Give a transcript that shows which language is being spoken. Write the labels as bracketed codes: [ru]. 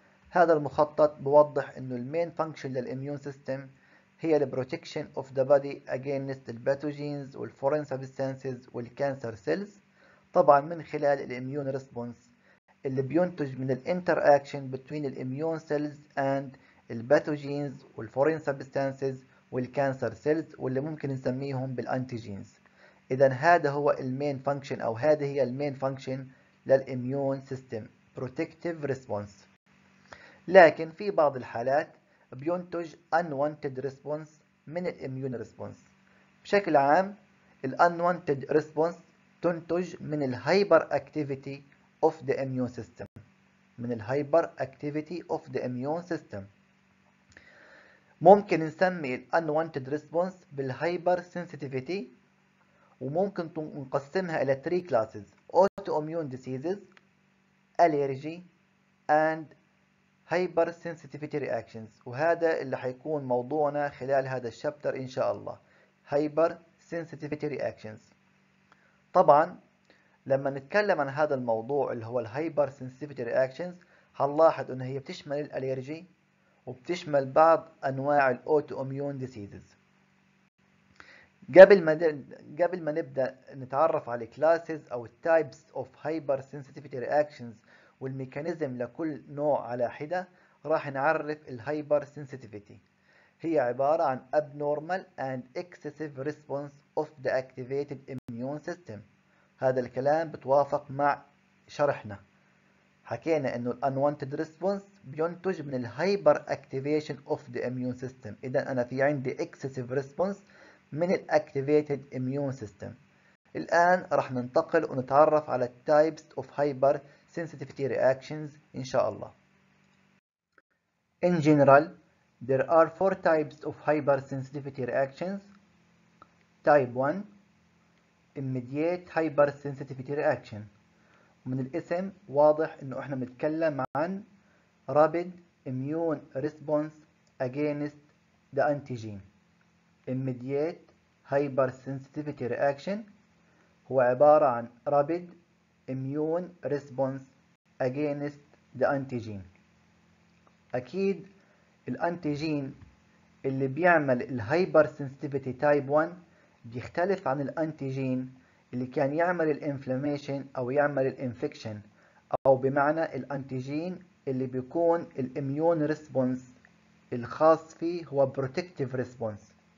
[ar] هذا المخطط بوضح انه المين فانكشن للاميون سيستم هي [en] the protection of the body against the pathogens [ar] والforeign substances والcancer cells، طبعا من خلال الاميون ريسبونس اللي بينتج من الانتراكشن between الاميون [en] cells and the pathogens [ar] والforeign substances والcancer cells واللي ممكن نسميهم بالانتيجينز. اذا هذا هو المين فانكشن، او هذه هي المين فانكشن للاميون سيستم، protective response. لكن في بعض الحالات بينتج unwanted response من الاميون response. بشكل عام ال unwanted response تنتج من ال hyperactivity of the immune system، من ال hyperactivity of the immune system. ممكن نسمي ال unwanted response بال hypersensitivity، وممكن نقسمها الى 3 classes: [en] autoimmune diseases, allergy and [ar] هايبر سنسيتيفيتي رياكشنز، وهذا اللي حيكون موضوعنا خلال هذا الشابتر ان شاء الله، هايبر سنسيتيفيتي رياكشنز. طبعا لما نتكلم عن هذا الموضوع اللي هو الهايبر سنسيتيفيتي رياكشنز، هنلاحظ ان هي بتشمل الاليرجي وبتشمل بعض انواع الاوتو اميون ديزيزز. قبل ما نبدا نتعرف على الكلاسز او التايبس اوف هايبر سنسيتيفيتي رياكشنز والميكانيزم لكل نوع على حدة، راح نعرف الهايبر سنسيتيفيتي. هي عبارة عن [en] abnormal and excessive response of the activated immune system. [ar] هذا الكلام بتوافق مع شرحنا، حكينا انه ال unwanted response بينتج من ال [en] hyperactivation of the immune system. [ar] اذا انا في عندي excessive response من ال activated immune system. الان راح ننتقل ونتعرف على ال types of hyper sensitivity reactions إن شاء الله. [en] In general, there are 4 types of hypersensitivity reactions. Type 1, immediate hypersensitivity reaction. [ar] ومن الاسم واضح إنه إحنا بنتكلم عن [en] rapid immune response against the antigen. [ar] Immediate hypersensitivity reaction هو عبارة عن [en] rapid immune response against the antigen. [ar] أكيد الأنتيجين اللي بيعمل الهايبر سنسيتيفيتي تايب 1 بيختلف عن الأنتيجين اللي كان يعمل الانفلاميشن أو يعمل الانفكشن، أو بمعنى الأنتيجين اللي بيكون الإميون ريسبونس الخاص فيه هو بروتكتيف ريسبونس.